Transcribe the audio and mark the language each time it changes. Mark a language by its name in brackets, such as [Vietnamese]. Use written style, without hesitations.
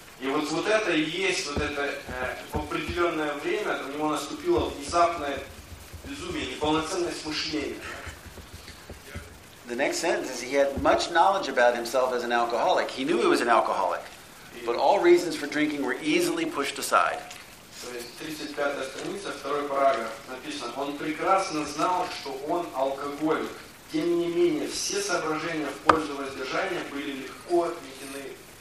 [Russian] И вот, вот это и есть, вот это в определенное время у него наступило внезапное безумие, неполноценность мышления. [English] The next sentence is he had much knowledge about himself as an alcoholic. He knew he was an alcoholic, but all reasons for drinking were easily pushed aside. [Russian] То есть 35-я страница, второй параграф, написано, он прекрасно знал, что он алкоголик. Тем не менее, все соображения в пользу воздержания были легко отметены.